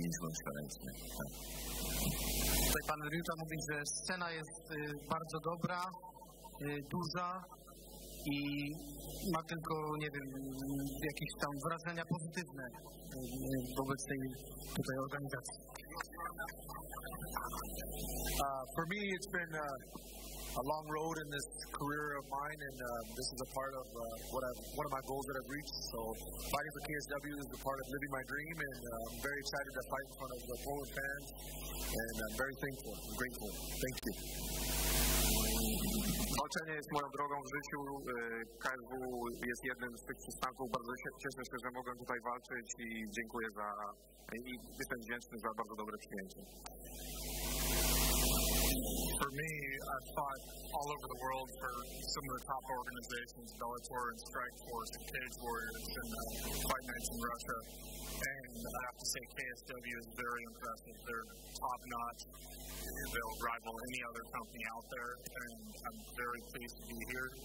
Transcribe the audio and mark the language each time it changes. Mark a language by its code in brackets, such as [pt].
[pl] Tutaj pan Ryuta mówi, że scena jest bardzo dobra, duża i ma tylko, nie wiem, jakieś tam wrażenia pozytywne wobec tej tutaj organizacji. [en] For me it's been a long road in this career of mine, and this is a part of one of my goals that I've reached. So fighting for KSW is a part of living my dream, and I'm very excited to fight in front of the Poland fans, and I'm very thankful. I'm grateful. Thank you. [pl] Walczenie jest moją drogą w życiu. KSW jest jednym z tych przystanków. Bardzo się cieszę, że mogę tutaj walczyć i dziękuję za i jestem wdzięczny za bardzo dobre przyjęcie. [en] For me, I've fought all over the world for some of the top organizations, Bellator and Strikeforce and Cage Warriors and Fight Nights in Russia. And I have to say KSW is very impressive. They're top-notch. They'll rival any other company out there. And I'm very pleased to be here.